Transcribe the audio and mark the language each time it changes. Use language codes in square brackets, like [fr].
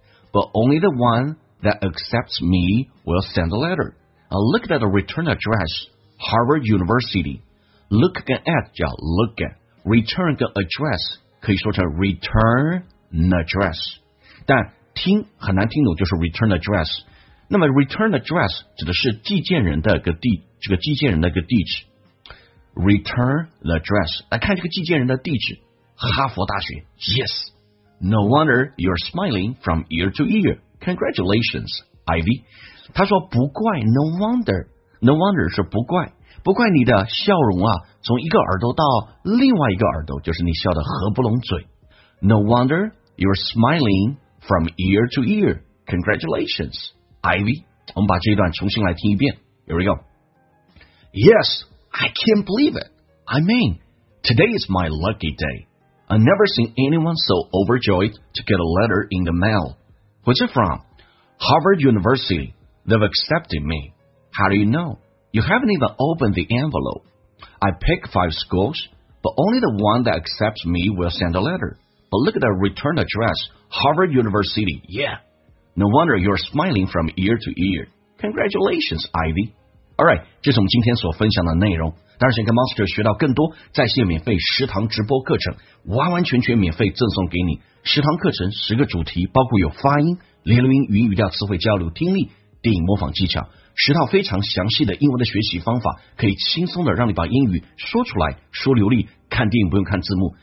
[en] but only the one that accepts me will send a letter look at the return address Harvard University look 跟 at 叫 look at return 跟 address [zh] 可以说成 [en] return address [zh] 但听很难听懂就是 [en] return address那么 return address [zh] 指的是寄件人的个地这个寄件人的个地址 [en] return address [zh] 来看这个寄件人的地址哈佛大学 [en] yes No wonder you're smiling from ear to ear. Congratulations, Ivy. [zh] 他说不怪 ， [en] No wonder。 No wonder [zh] 是不怪，不怪你的笑容啊，从一个耳朵到另外一个耳朵，就是你笑得合不拢嘴。 [en] No wonder you're smiling from ear to ear. Congratulations, Ivy. [zh] 我们把这一段重新来听一遍。 [en] Here we go. Yes, I can't believe it. I mean, today is my lucky day. I've never seen anyone so overjoyed to get a letter in the mail. What's it from? Harvard University. They've accepted me. How do you know? You haven't even opened the envelope. I pick 5 schools, but only the one that accepts me will send a letter. But look at the return address, Harvard University. Yeah. No wonder you're smiling from ear to ear. Congratulations, Ivy. All right, [zh] 这是我们今天所分享的内容。当然，想跟 Monster 学到更多在线免费食堂直播课程，完完全全免费赠送给你。食堂课程10个主题，包括有发音、连读音、语音语调、词汇交流、听力、电影模仿技巧。十套非常详细的英文的学习方法，可以轻松的让你把英语说出来，说流利，看电影不用看字幕。